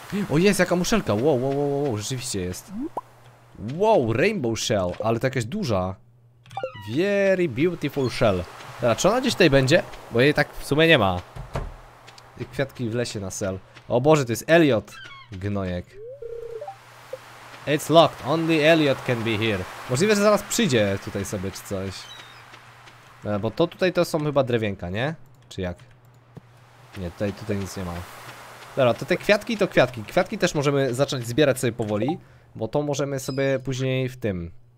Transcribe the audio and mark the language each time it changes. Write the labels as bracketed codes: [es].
[pl] O, jest jaka muszelka, wow, rzeczywiście jest. Wow, rainbow shell, ale to jakaś duża. [en] Very beautiful shell. [pl] Dobra, czy ona gdzieś tutaj będzie? Bo jej tak w sumie nie ma. I kwiatki w lesie na sel. O Boże, to jest Elliot, gnojek. [en] It's locked, only Elliot can be here. [pl] Możliwe, że zaraz przyjdzie tutaj sobie czy coś. Bo to tutaj to są chyba drewienka, nie? Czy jak? Nie, tutaj nic nie ma. Dobra, to te kwiatki to kwiatki. Kwiatki też możemy zacząć zbierać sobie powoli, bo to możemy sobie później w tym.